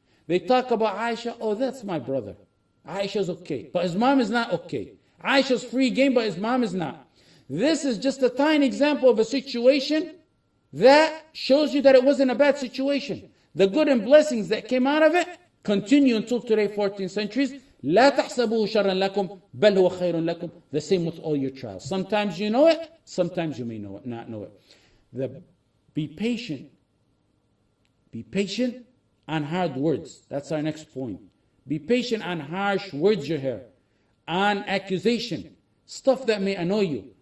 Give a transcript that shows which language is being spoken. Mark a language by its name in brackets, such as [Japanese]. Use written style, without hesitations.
[English] They talk about Aisha, oh that's my brother. Aisha's okay, but his mom is not okay. Aisha's free game, but his mom is not. This is just a tiny example of a situation that shows you that it wasn't a bad situation. The good and blessings that came out of it continue until today, 14 centuries. [Arabic] لا تحسبوه شرا لكم بل هو خير لكم. [English] The same with all your trials. Sometimes you know it, sometimes you may know it, not know it. Be patient. Be patient on hard words. That's our next point. Be patient on harsh words you hear, on accusation, stuff that may annoy you.